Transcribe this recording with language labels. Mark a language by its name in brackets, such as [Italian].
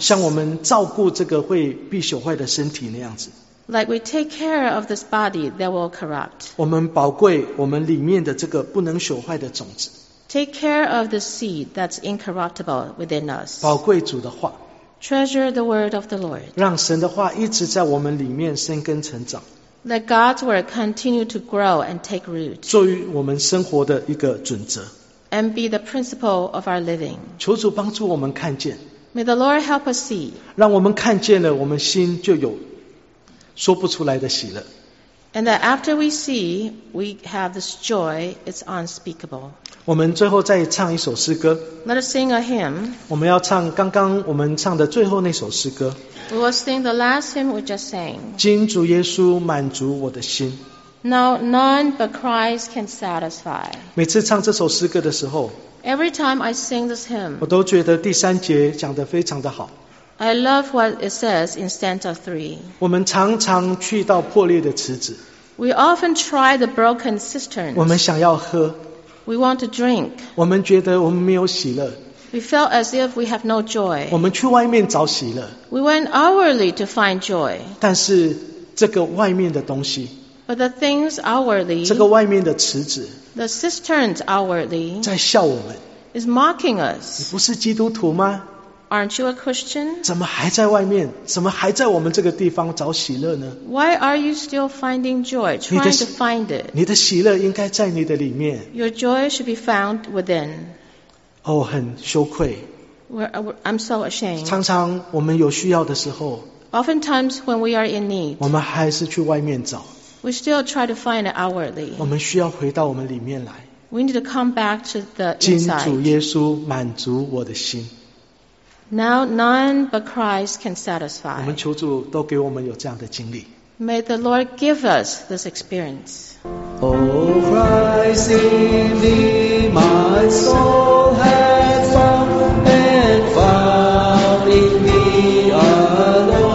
[Chinese] 像我们照顾这个会必朽坏的身体那样子。 [English] Like we take care of this body that will corrupt. [Chinese] 我们宝贵我们里面的这个不能朽坏的种子。 [English] Take care of the seed that's incorruptible within us. [Chinese] 宝贵主的话。 [English] Treasure the word of the Lord. [Chinese] 让神的话一直在我们里面生根成长。 [English] Let God's word continue to grow and take root. [Chinese] 作为我们生活的一个准则。 [English] And be the principle of our living. [Chinese] 求主帮助我们看见。 [English] May the Lord help us see. [Chinese] 让我们看见了，我们心就有说不出来的喜乐。 [English] And that after we see, we have this joy, it's unspeakable. [Chinese] 我们最后再唱一首诗歌。 [English] Let us sing a hymn. [Chinese] 我们要唱刚刚我们唱的最后那首诗歌。 [English] We will sing the last hymn we just sang. [Chinese] 今主耶稣满足我的心。 [English] Now none but Christ can satisfy. [Chinese] 每次唱这首诗歌的时候， [English] Every time I sing this hymn, [Chinese] 我都觉得第三节讲得非常的好。 [English] I love what it says in stanza 3. [Chinese] 我们常常去到破裂的池子。 [English] We often try the broken cisterns. [Chinese] 我们想要喝。 [English] We want to drink. [Chinese] 我们觉得我们没有喜乐。 [English] We felt as if we have no joy. [Chinese] 我们去外面找喜乐。 [English] We went outwardly to find joy. [Chinese] 但是这个外面的东西， [English] But the things outwardly, [Chinese] 这个外面的池子， [English] the cisterns outwardly, [Chinese] 在笑我们， [English] is mocking us. [Chinese] 你不是基督徒吗？ [English] Aren't you a Christian? [Chinese] 怎么还在外面？怎么还在我们这个地方找喜乐呢？ [English] Why are you still finding joy, trying to find it? [Chinese] 你的喜乐应该在你的里面。 [English] Your joy should be found within. [Chinese] 哦，很羞愧。 [English] I'm so ashamed. [Chinese] 常常我们有需要的时候， [English] Oftentimes when we are in need, [Chinese] 我们还是去外面找。 [English] We still try to find it outwardly. [Chinese] 我们需要回到我们里面来。 [English] We need to come back to the inside. [Chinese] 今主耶稣满足我的心。 [English] Now none but Christ can satisfy. [Chinese] 我们求主都给我们有这样的经历。 [English] May the Lord give us this experience. Oh Christ in thee my soul has found and found in thee alone.